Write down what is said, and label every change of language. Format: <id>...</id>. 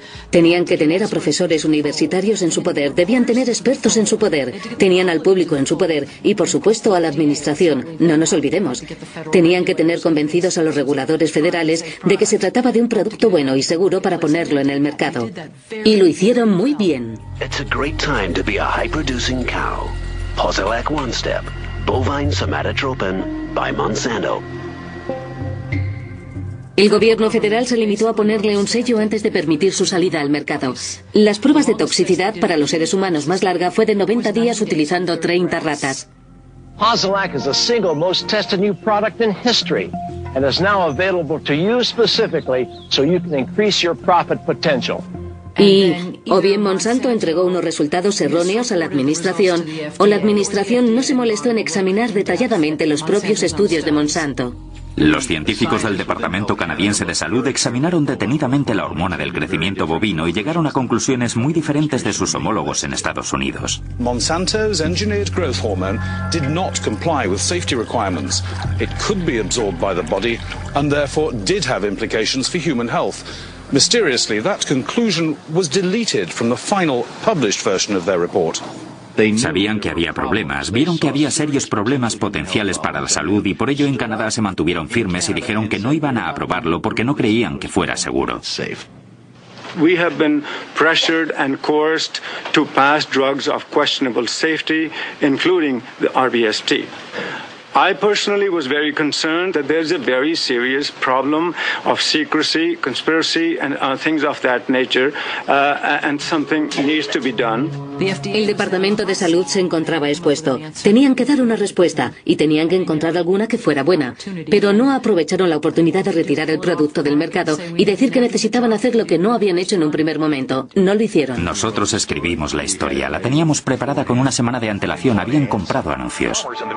<es>Tenían que tener a profesores universitarios en su poder, debían tener expertos en su poder, tenían al público en su poder y, por supuesto, a la administración. No nos olvidemos. Tenían que tener convencidos a los reguladores federales de que se trataba de un producto bueno y seguro para ponerlo en el mercado. Y lo hicieron muy bien.</es> <en>It's a great time to be a high-producing cow. Posilac One Step, Bovine Somatotropin by Monsanto.</en> <es>El gobierno federal se limitó a ponerle un sello antes de permitir su salida al mercado. Las pruebas de toxicidad para los seres humanos más larga fue de 90 días utilizando 30 ratas.</es> <en>Posilac is the single most tested new product in history and is now available to you specifically so you can increase your profit potential.</en> <es>Y o bien Monsanto entregó unos resultados erróneos a la administración, o la administración no se molestó en examinar detalladamente los propios estudios de Monsanto. Los científicos del Departamento Canadiense de Salud examinaron detenidamente la hormona del crecimiento bovino y llegaron a conclusiones muy diferentes de sus homólogos en Estados Unidos.</es> <en>Monsanto's engineered growth hormone did not comply with safety requirements. It could be absorbed by the body and therefore did have implications for human health. Mysteriously, that conclusion was deleted from the final published version of their report.</en> <es>Sabían que había problemas, vieron que había serios problemas potenciales para la salud y por ello en Canadá se mantuvieron firmes y dijeron que no iban a aprobarlo porque no creían que fuera seguro.</es> <en>We have been pressured and coerced to pass drugs of questionable safety, including the RBST. I personally was very concerned that there's a very serious problem of secrecy, conspiracy, and things of that nature, and something needs to be done.</en> <es>El Departamento de Salud se encontraba expuesto. Tenían que dar una respuesta y tenían que encontrar alguna que fuera buena. Pero no aprovecharon la oportunidad de retirar el producto del mercado y decir que necesitaban hacer lo que no habían hecho en un primer momento. No lo hicieron. Nosotros escribimos la historia. La teníamos preparada con una semana de antelación. Habían comprado anuncios.</es>